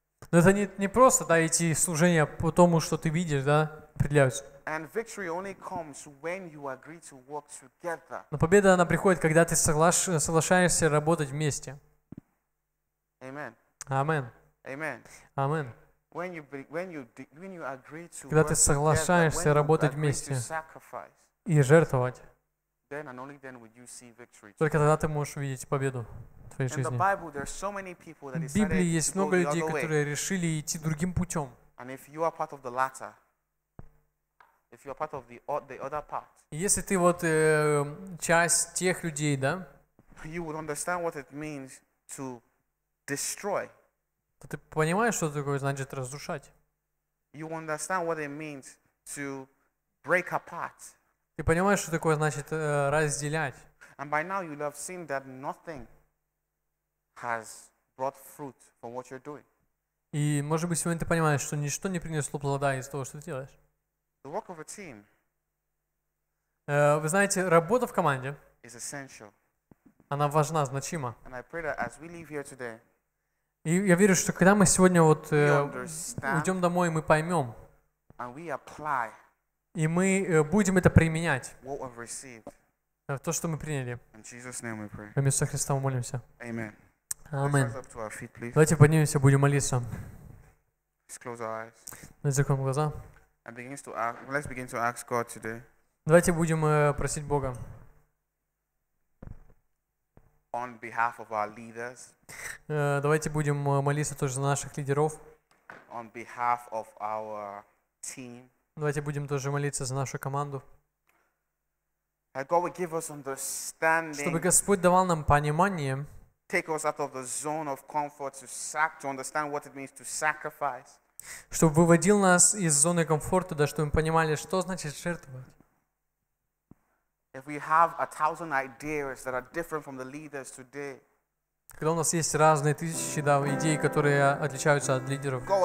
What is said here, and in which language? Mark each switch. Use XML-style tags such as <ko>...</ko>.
<ru>Но это не просто, да, идти в служение по тому, что ты видишь, да, определяются.</ru> <en>And victory only comes when you agree to work together.</en> <ru>Но победа она приходит, когда ты соглашаешься работать вместе. Amen. Amen. Amen. Amen.</ru> <en>When you agree to</en> <ru>когда ты соглашаешься работать вместе и жертвовать,</ru> <en>then and only then will you see victory.</en> <ru>Только тогда ты можешь увидеть победу в твоей жизни.</ru> <en>In the Bible, there are so many people that</en> <ru>в Библии есть много людей, которые решили идти другим путем.</ru> <en>And if you are part of the latter. If you are part of the other part,</en> <ru>если ты вот часть тех людей, да,</ru> <en>you would understand what it means to destroy.</en> <ru>То ты понимаешь, что такое значит разрушать.</ru> <en>You understand what it means to break apart.</en> <ru>Ты понимаешь, что такое значит разделять.</ru> <en>And by now you have seen that nothing has brought fruit from what you're doing.</en> <ru>И, может быть, сегодня ты понимаешь, что ничто не принесло плода из того, что ты делаешь.</ru> <en>The work of a team.</en> <ru>Вы знаете, работа в команде.</ru> <en>Is essential.</en> <ru>Она важна, значима.</ru> <en>And I pray that as we leave here today.</en> <ru>И я верю, что когда мы сегодня вот уйдем домой, мы поймем.</ru> <en>And we apply.</en> <ru>И мы будем это применять.</ru> <en>What we've received.</en> <ru>То, что мы приняли.</ru> <en>In Jesus' name we pray.</en> <ru>Во имя Иисуса Христа мы молимся. Amen. Amen.</ru> <en>Let's rise up to our feet, please.</en> <ru>Давайте поднимемся, будем молиться.</ru> <en>Let's close our eyes.</en> <ru>Давайте закроем глаза.</ru> <en>And begins to ask, let's begin to ask God today.</en> <ru>Давайте будем просить Бога.</ru> <en>On behalf of our leaders.</en> <ru>Давайте будем молиться тоже за наших лидеров.</ru> <en>On behalf of our team.</en> <ru>Давайте будем тоже молиться за нашу команду.</ru> <en>That God would give us understanding.</en> <ru>Чтобы Господь давал нам понимание.</ru> <en>Take us out of the zone of comfort to understand what it means to sacrifice.</en> <ru>Чтобы выводил нас из зоны комфорта, да, чтобы мы понимали, что значит жертвовать. Когда у нас есть разные тысячи, да, идей, которые отличаются от лидеров.</ru>